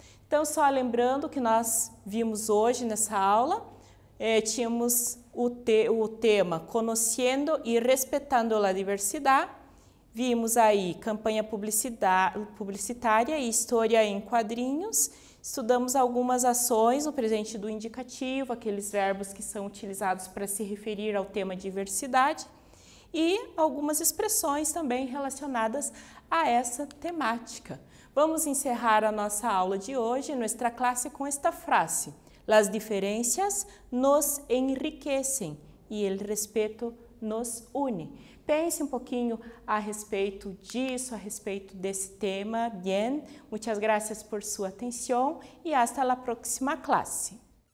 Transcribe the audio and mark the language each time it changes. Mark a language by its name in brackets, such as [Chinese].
[Portuguese] Então, só lembrando que nós vimos hoje nessa aula, tínhamos o tema Conociendo e Respetando la Diversidade, vimos aí campanha publicitária e história em quadrinhos, estudamos algumas ações no presente do indicativo, aqueles verbos que são utilizados para se referir ao tema diversidade e algumas expressões também relacionadas a essa temática. Vamos encerrar a nossa aula de hoje, nossa classe, com esta frase. [Spanish] Las diferencias nos enriquecen y el respeto nos une. [Portuguese] Pense um pouquinho a respeito disso, a respeito desse tema. [Spanish] Bien, muchas gracias [Portuguese] por sua atenção e [Spanish] hasta la próxima [Portuguese] classe.